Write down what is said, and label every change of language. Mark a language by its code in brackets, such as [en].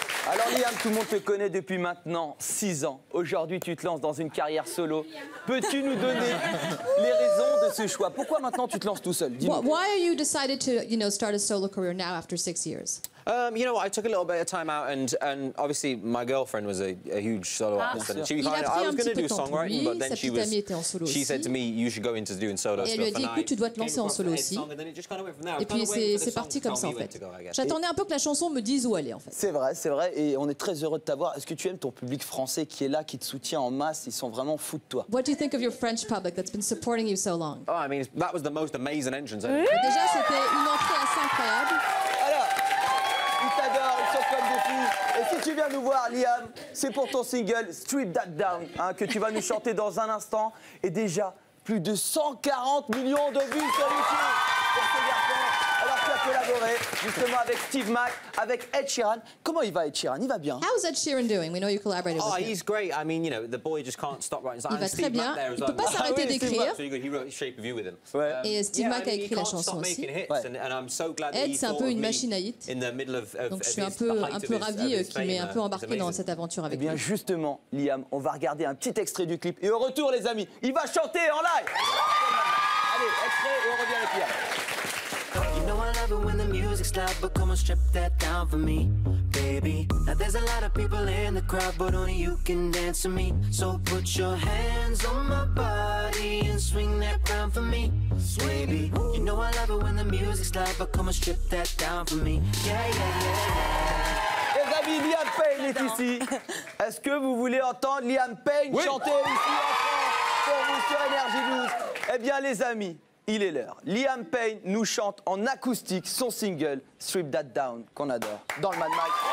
[fr] Alors Liam, tout le monde te connaît depuis maintenant 6 ans. Aujourd'hui, tu te lances dans une carrière solo. Peux-tu nous donner les raisons de ce choix? Pourquoi maintenant tu te lances tout seul? Dis-moi. [en] Why are you decided to, you know, start a solo career now after 6 years? You know what, I took a little bit of time out and obviously my girlfriend was a huge solo artist. And she kind of, I was going to do songwriting, [fr] lui, [en] but then she was, she said to me, you should go into doing solo stuff. [fr] Et elle lui a dit, écoute, tu dois te lancer en solo aussi. Et puis c'est parti comme ça, en fait. J'attendais un peu que la chanson me dise où aller, en fait. C'est vrai, et on est très heureux de t'avoir. Est-ce que tu aimes ton public français qui est là, qui te soutient en masse? Ils sont vraiment fous de toi. [en] What do you think of your French public that's been supporting you so long? Oh, I mean, that was the most amazing entrance. [fr] Déjà, c'était une entrée assez incroyable. Et si tu viens nous voir, Liam, c'est pour ton single Strip That Down, hein, que tu vas nous chanter dans un instant. Et déjà, plus de 140 millions de vues sur YouTube pour ce garçon. Alors tu as collaboré justement avec Steve Mac, avec Ed Sheeran. Comment il va, Ed Sheeran? Il va bien. [en] How is Ed Sheeran doing? We know you collaborated with him. Oh, he's great. I mean, you know, the boy just can't stop writing. [fr] Il va très bien. Il ne peut pas s'arrêter d'écrire. [en] So he wrote Shape of You with him. [fr] Et Steve Mac a écrit la chanson aussi. [en] And I'm so glad [fr] Ed, c'est un peu une machine à hit. [en] In the middle of [fr] donc je suis un peu ravi qu'il m'ait un peu embarqué dans cette aventure avec lui. Eh bien, justement, Liam, on va regarder un petit extrait du clip. Et au retour, les amis, il va chanter en live. Allez, extrait et on revient avec Liam. [en] When the music's loud, but come on, strip that down for me, baby. Now there's a lot of people in the crowd, but only you can dance with me. So put your hands on my body and swing that round for me, baby. You know I love it when the music's loud, but come on, strip that down for me. Yeah, yeah, yeah. [fr] Les amis, Liam Payne est ici. Est-ce que vous voulez entendre Liam Payne oui. chanter ici en France pour vous sur Energy 12? Eh bien, les amis, il est l'heure. Liam Payne nous chante en acoustique son single Strip That Down, qu'on adore, dans le Mad Max.